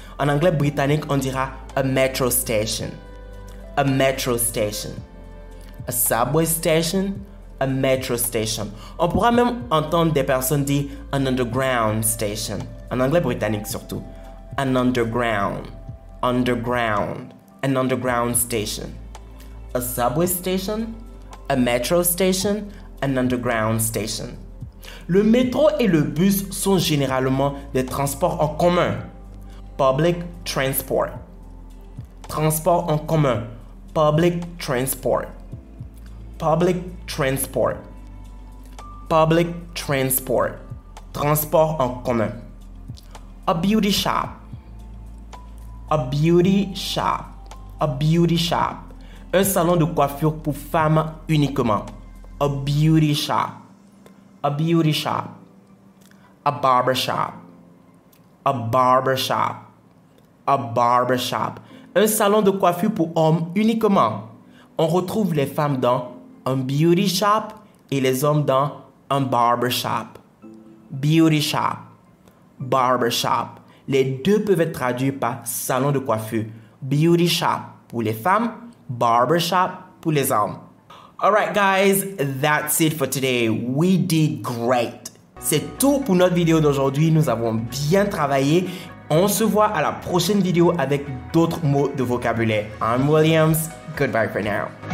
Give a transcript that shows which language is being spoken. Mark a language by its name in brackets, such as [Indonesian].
[French] En anglais britannique, on dira [English] a metro station. A metro station. A subway station. A metro station. [French] On pourra même entendre des personnes dire [English] an underground station. [French] En anglais britannique surtout. [English] An underground. Underground. An underground station. A subway station. A metro station. An underground station. [French] Le métro et le bus sont généralement des transports en commun. [English] Public transport. [French] Transport en commun. [English] Public transport. Public transport. Public transport. [French] Transport en commun. [English] A beauty shop. A beauty shop. A beauty shop. [French] Un salon de coiffure pour femmes uniquement. [English] A beauty shop. A beauty shop. A barber shop. A barber shop. A barber shop. [French] Un salon de coiffure pour hommes uniquement. On retrouve les femmes dans un beauty shop et les hommes dans un barber shop. Beauty shop. Barber shop. Les deux peuvent être traduits par salon de coiffure. Beauty shop pour les femmes. Barbershop pour les hommes. [English] Alright guys, that's it for today. We did great. [French] C'est tout pour notre vidéo d'aujourd'hui. Nous avons bien travaillé. On se voit à la prochaine vidéo avec d'autres mots de vocabulaire. [English] I'm Williams. Goodbye for now.